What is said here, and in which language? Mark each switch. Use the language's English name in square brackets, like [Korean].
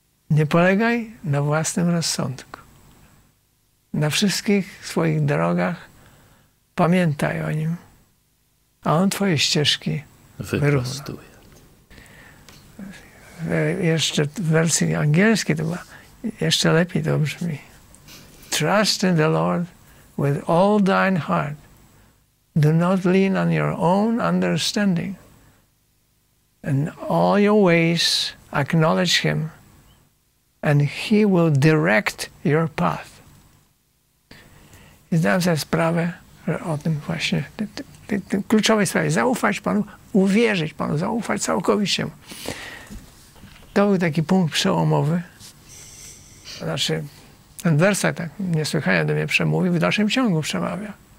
[Polish] Nie polegaj na własnym rozsądku. Na wszystkich swoich drogach pamiętaj o Nim, a On twoje ścieżki wyprostuje. Jeszcze w wersji angielskiej to jeszcze lepiej to brzmi. [English] Trust in the Lord with all thine heart. Do not lean on your own understanding. And all your ways acknowledge Him, and He will direct your path. [Polish] I zdałem sobie sprawę, że o tym właśnie, tym kluczowej sprawie, zaufać Panu, uwierzyć Panu, zaufać całkowicie. To był taki punkt przełomowy. Znaczy, ten werset tak niesłychanie do mnie przemówił, w dalszym ciągu przemawia.